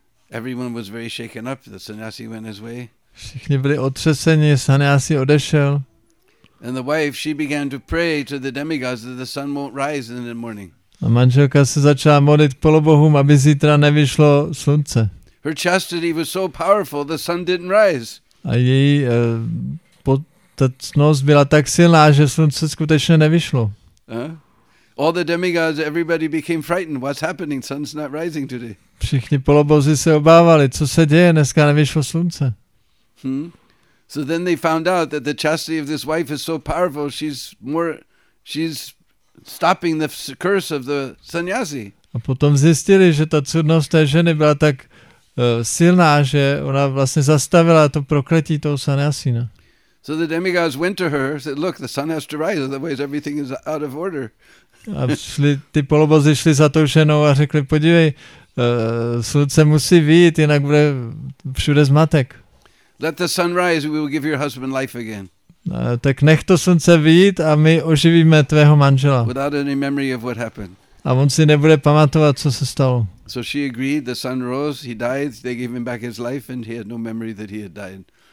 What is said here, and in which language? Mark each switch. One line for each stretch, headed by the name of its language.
English: Everyone was very shaken up. The sannyasi went his way.
Czech: Všichni byli otřeseni, sannyasi odešel.
English: And the wife, she began to pray to the demigods that the sun won't rise in the morning.
Czech: A manželka se začala modlit polobohům, aby zítra nevyšlo slunce.
English: Her chastity was so powerful the sun didn't rise.
Czech: A její potatnost byla tak silná, že slunce skutečně nevyšlo.
English: All the demigods, everybody became frightened. What's happening? Sun's not rising today.
Czech: Všichni polobozy se obávali, co se děje, dneska nevyšlo slunce.
English: So then they found out that the chastity of this wife is so powerful, she's stopping the curse of the sannyasi.
Czech: A potom zjistili, že ta cudnost té ženy byla tak silná, že ona vlastně zastavila to prokletí toho sannyasina.
English: So the demigods went to her, said, look, the sun has to rise, otherwise everything is out of order.
Czech: A šli, ty polobozy šli za tou ženou a řekli, podívej, slunce musí vyjít, jinak bude všude zmatek.
English: Let the sun rise, we will give your husband life again.
Czech: Tak nech to slunce vyjít a my oživíme tvého manžela.
English: Without any memory of what happened.
Czech: A on si nebude pamatovat, co se stalo.
English: So she agreed, the sun rose, he died, they gave him back his life and he had no memory that he had died.